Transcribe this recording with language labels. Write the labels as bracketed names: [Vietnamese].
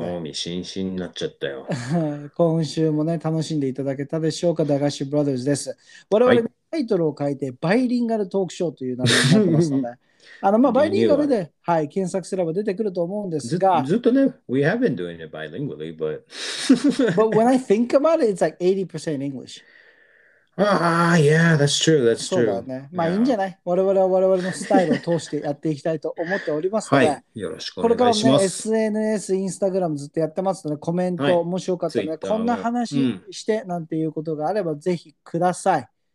[Japanese] 興味津々になっちゃったよ。今週もね、楽しんでいただけたでしょうか、駄菓子ブラザーズです。我々、ね、はい、タイトルを書いてバイリンガルトークショーという名前になってますので。バイリンガルで、はい、検索すれば出てくると思うんですが、ずっとね、 [English] We have been doing it bilingually, but... but when I think about it, it's like 80% English. Yeah, that's true, that's true. [Japanese] そうだね。まあ、いいんじゃない？我々は我々のスタイルを通してやっていきたいと思っておりますので、はい、よろしくお願いします。これからもね、SNS、Instagram ずっとやってますので、コメント、もしよかったら、ね、こんな話して、なんていうことがあれば、ぜひください。